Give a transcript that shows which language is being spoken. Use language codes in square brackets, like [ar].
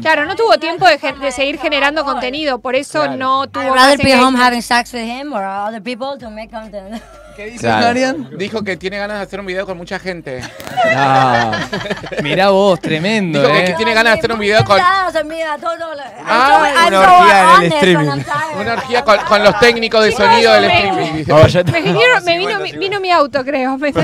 [es] Claro, no tuvo tiempo de seguir generando contenido, por eso no tuvo. [en] I'd rather be home having sex with him or other people to make content. [es] ¿Qué dices, Marian? Claro. Dijo que tiene ganas de hacer un video con mucha gente. No. Mirá vos, tremendo. Dijo, ¿eh?, que tiene ganas de hacer un video con... una orgía en el streaming. Una orgía con los técnicos de sonido del streaming. Me vino mi auto, creo.